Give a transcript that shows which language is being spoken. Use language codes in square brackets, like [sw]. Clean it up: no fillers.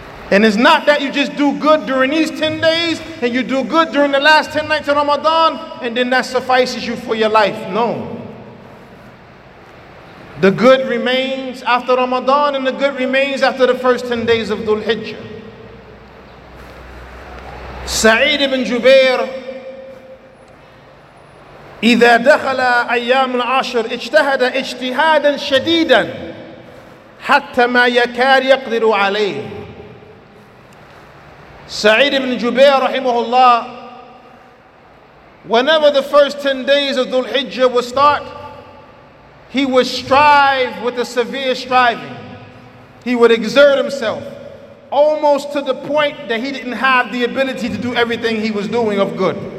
[en] And it's not that you just do good during these 10 days and you do good during the last 10 nights of Ramadan and then that suffices you for your life. No. The good remains after Ramadan and the good remains after the first 10 days of Dhul Hijjah. [ar] Sa'id ibn Jubair, إِذَا دَخَلَ أَيَّامُ الْعَشْرِ اِجْتَهَدَ اِجْتِهَادًا شَدِيدًا حَتَّى مَا يَكَادُ يَقْدِرُ عَلَيْهِ. [en] Sa'id ibn Jubair rahimahullah, whenever the first 10 days of Dhul Hijjah would start, he would strive with a severe striving. He would exert himself almost to the point that he didn't have the ability to do everything he was doing of good.